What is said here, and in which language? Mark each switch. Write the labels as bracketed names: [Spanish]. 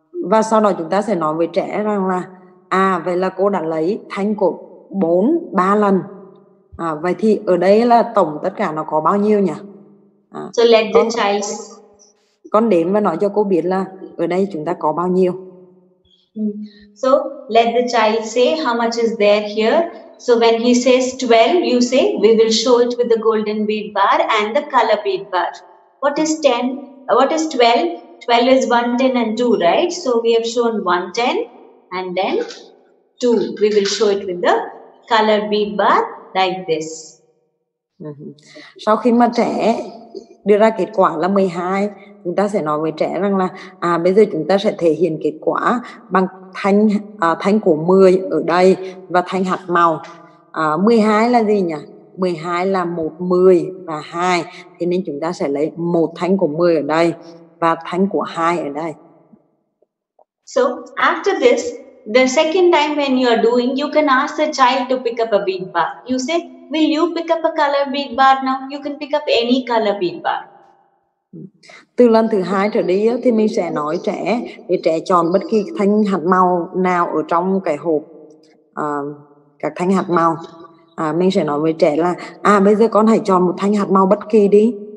[Vietnamese] Và sau đó chúng ta sẽ nói với trẻ rằng là vậy là cô đã lấy thanh của 4, 3 lần. Vậy thì ở đây là tổng tất cả nó có bao nhiêu nhỉ? [English] So let the child. [Vietnamese] Con đếm và nói cho cô biết là ở đây chúng ta có bao nhiêu. [English] So let the child say how much is there here. So when he says 12, you say we will show it with the golden bead bar and the color bead bar. What is 10? What is 12? 12 is 110 and 2, right? So we have shown 110 and then 2. We will show it with the color bead bar like this. [Vietnamese] Sau khi mà trẻ đưa ra kết quả là 12, chúng ta sẽ nói với trẻ rằng là bây giờ chúng ta sẽ thể hiện kết quả bằng thanh thanh của 10 ở đây và thanh hạt màu. 12 là gì nhỉ? 12 là 1, 10 và 2. Thế nên chúng ta sẽ lấy một thanh của 10 ở đây và thanh của 2 ở đây. [English] So after this, the second time when you are doing, you can ask the child to pick up a bead bar. You say, will you pick up a color bead bar now? You can pick up any color bead bar. [Vietnamese] Từ lần thứ hai trở đi thì mình sẽ nói trẻ để trẻ chọn bất kỳ thanh hạt màu nào ở trong cái hộp các thanh hạt màu. Mình sẽ nói với trẻ là bây giờ con hãy chọn một thanh hạt màu bất kỳ đi.